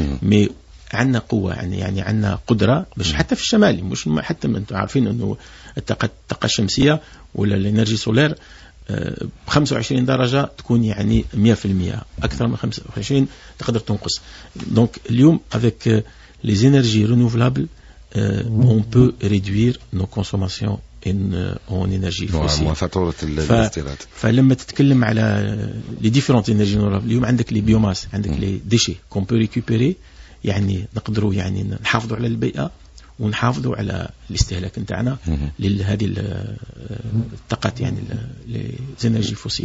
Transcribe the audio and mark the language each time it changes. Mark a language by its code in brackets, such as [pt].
[ar] مي عندنا قوة يعني عندنا قدرة باش حتى في الشمال مش حتى ما انتم عارفين انه الطاقة الشمسية ولا [fr] الانرجي سولير [ar] 25 درجة تكون يعني 100% اكثر من 25 تقدر تنقص. دونك اليوم [fr] افيك لي انرجي رينوفلابل on peut réduire nos consommations en énergie fossile. [ar] فلما تتكلم على [fr] les différentes énergies renouvelables, [ar] اليوم عندك [fr] les biomasses, [ar] عندك [fr] les déchets qu'on peut récupérer, [ar] يعني نقدروا يعني نحافظوا على البيئة ونحافظوا على الاستهلاك نتاعنا لهذه الطاقات يعني [fr] les énergies fossiles.